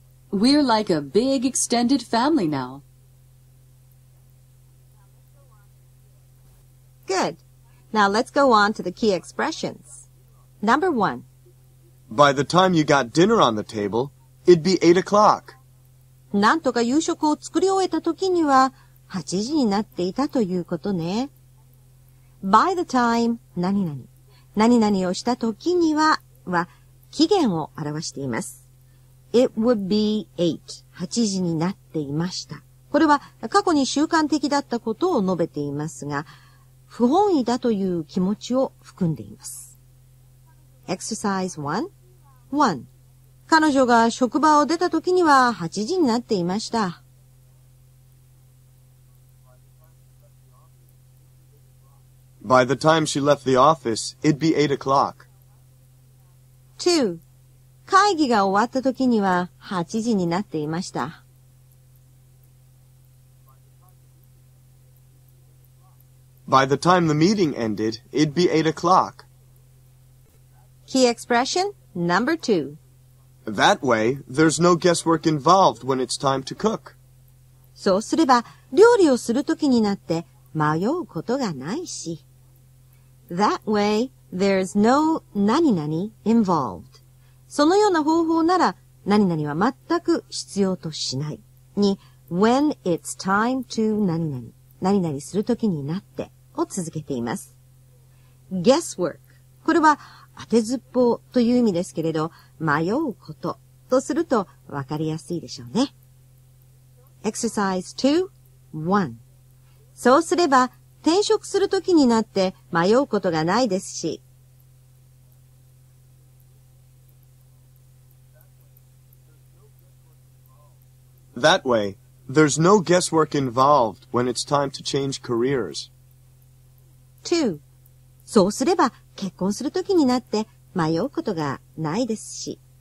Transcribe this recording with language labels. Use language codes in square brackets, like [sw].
[en] We're like a big extended family now. Good. Now let's go on to the key expressions. Number one. By the time you got dinner on the table, it'd be 8 o'clock. [ja] なんとか夕食を作り終えた時には8時になっていたということね。 [en] By the time [ja] 何々、何々をした時には、は期限を表しています。 [en] It would be 8、 [ja] 8時になっていました。これは過去に習慣的だったことを述べていますが、不本意だという気持ちを含んでいます。 [en] Exercise 1.1. [ja] 彼女が職場を出た時には8時になっていました。 [en] By the time she left the office, it'd be 8 o'clock. 2. [ja] 会議が終わった時には8時になっていました。 [en] By the time the meeting ended, it'd be 8 o'clock. Key expression number 2. That way, there's no guesswork involved when it's time to cook. [ja] そうすれば、料理をするときになって迷うことがないし。 [en] That way, there's no 何々 involved. [ja] そのような方法なら、何々は全く必要としない。に、 [en] when it's time to [ja] 何々、何々するときになってを続けています。 [en] Guesswork. [ja] これは、当てずっぽうという意味ですけれど、迷うこととすると分かりやすいでしょうね。 [en] Exercise 2.1 [ja] そうすれば転職するときになって迷うことがないですし。 [en] That way, there's no guesswork involved when it's time to change careers. [ja] 2. そうすれば結婚するときになって迷うことがないですし。